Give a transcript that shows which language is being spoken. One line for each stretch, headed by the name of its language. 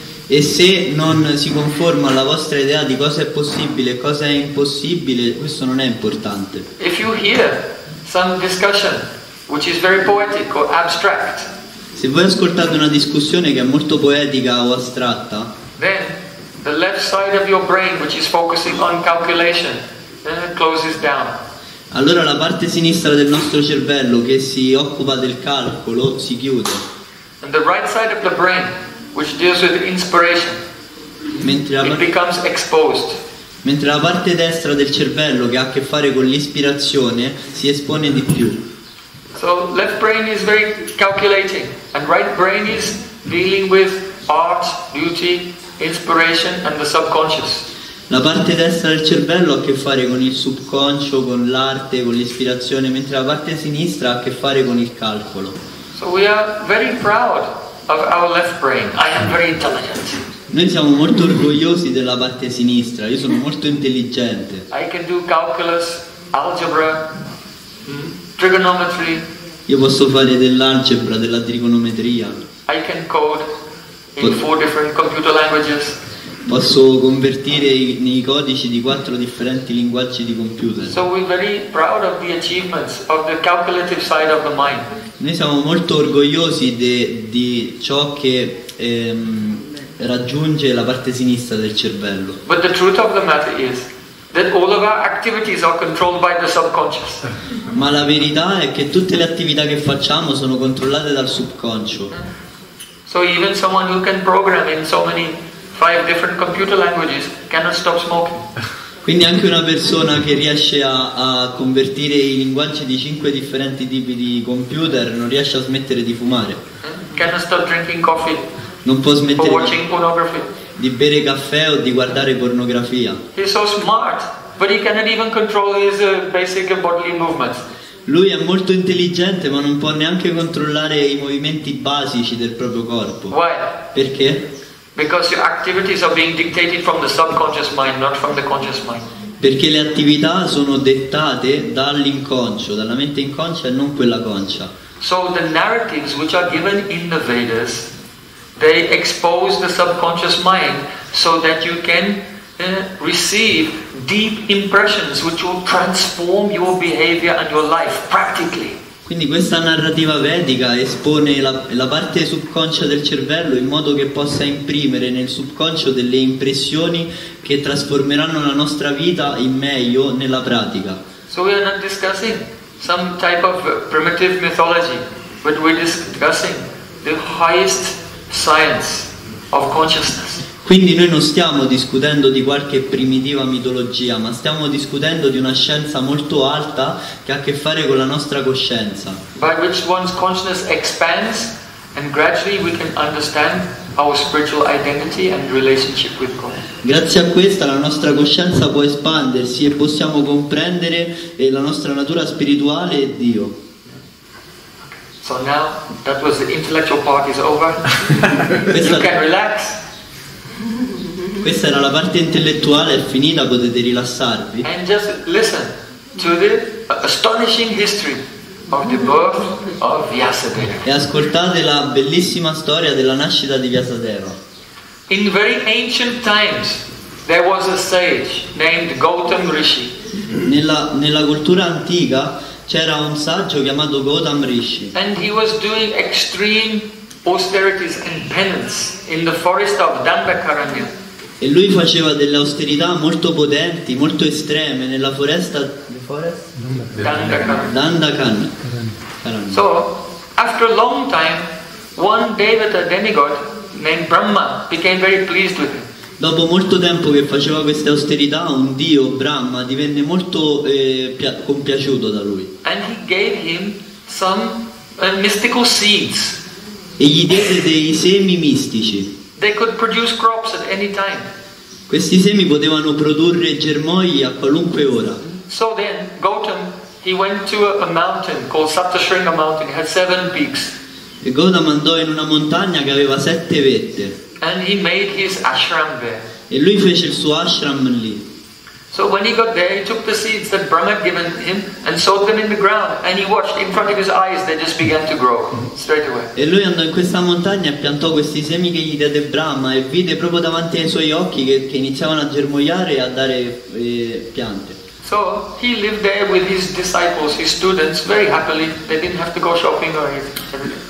Italian: E se non si conforma alla vostra idea di cosa è possibile e cosa è impossibile, questo non è importante.
English: If you hear some discussion which is very poetic or abstract,
Italian: Se voi ascoltate una discussione che è molto poetica o astratta,
English: then the left side of your brain, which is focusing on calculation, then it closes down.
Italian: Allora la parte sinistra del nostro cervello che si occupa del calcolo si chiude.
English: And the right side of the brain, which deals with inspiration, it becomes exposed.
Italian: Mentre la parte destra del cervello che ha a che fare con l'ispirazione si espone di più.
English: So left brain is very calculating and right brain is dealing with art, beauty, inspiration and the subconscious.
Italian: La parte destra del cervello ha a che fare con il subconscio, con l'arte, con l'ispirazione, mentre la parte sinistra ha a che fare con il calcolo.
English: So we are very proud of our left brain. I am very intelligent.
Italian: Noi siamo molto orgogliosi della parte sinistra. Io sono molto intelligente.
English: I can do calculus, algebra, trigonometry.
Italian: Io posso fare dell'algebra, della trigonometria.
English: I can code in four different computer languages.
Italian: Posso convertire nei codici di quattro differenti linguaggi di computer.
English: So we're very proud of the achievements of the calculative side of the mind.
Italian: Noi siamo molto orgogliosi di ciò che raggiunge la parte sinistra del cervello.
English: But the truth of the matter is that all of our activities are controlled by the subconscious.
Italian: Ma la verità è che tutte le attività che facciamo sono controllate dal subconscio.
English: So even someone who can program in so many five different computer languages cannot stop smoking.
Italian: Quindi anche una persona che riesce a convertire i linguaggi di cinque differenti tipi di computer non riesce a smettere di fumare.
English: Cannot stop drinking coffee.
Italian: Non può smettere di bere caffè o di guardare pornografia.
English: He's so smart, but he cannot even control his basic bodily movements.
Italian: Lui è molto intelligente, ma non può neanche controllare i movimenti basici del proprio corpo.
English: Why?
Italian: Perché?
English: Because your activities are being dictated from the subconscious mind, not from the conscious mind.
Italian: Perché le attività sono dettate dall'inconscio, dalla mente inconscia e non quella conscia.
English: So the narratives which are given in the Vedas, they expose the subconscious mind so that you can receive deep impressions which will transform your behavior and your life practically.
Italian: Quindi questa narrativa vedica espone la parte subconscia del cervello in modo che possa imprimere nel subconscio delle impressioni che trasformeranno la nostra vita in meglio nella pratica.
English: So we are not discussing some type of primitive mythology, but we're discussing the highest science of consciousness.
Italian: Quindi noi non stiamo discutendo di qualche primitiva mitologia, ma stiamo discutendo di una scienza molto alta che ha a che fare con la nostra coscienza.
English: By which one's consciousness expands and gradually we can understand our spiritual identity and relationship with God.
Italian: Grazie a questa la nostra coscienza può espandersi e possiamo comprendere la nostra natura spirituale e Dio.
English: So now that was the intellectual part is over. You can relax.
Italian: Questa era la parte intellettuale, è finita, potete rilassarvi.
English: And just listen to the astonishing history of the birth of Vyasadeva.
Italian: E ascoltate la bellissima storia della nascita di Vyasadeva.
English: In very ancient times there was a sage named Gautam Rishi.
Italian: Nella cultura antica c'era un saggio chiamato Gautam Rishi.
English: And he was doing extreme austerities and penance in the forest of Dandakaranya.
Italian: E lui faceva delle austerità molto potenti, molto estreme nella foresta
English: The forest?
Italian: Dandakaranya.
English: So, after a long time, one devata demigod named Brahma became very pleased with him.
Italian: Dopo molto tempo che faceva queste austerità, un dio, Brahma, divenne molto compiaciuto da lui.
English: And he gave him some mystical seeds.
Italian: E gli diede dei semi mistici.
English: They could produce crops at any time.
Italian: Questi semi potevano produrre germogli a qualunque ora.
English: So then, Gautam, he went to a mountain called Saptashringa Mountain, it had seven peaks.
Italian: E Gautam andò in una montagna che aveva sette vette.
English: And he made his ashram there.
Italian: E lui fece il suo ashram lì.
English: So when he got there, he took the seeds that Brahma had given him and sowed them in the ground. And he watched in front of his eyes; they just began to grow straight away.
Italian: E lui andò in questa montagna e piantò questi semi che gli diede Brahma e vide proprio davanti ai suoi occhi che iniziavano a germogliare e a dare piante.
English: So he lived there with his disciples, his students, very happily. They didn't have to go shopping or anything.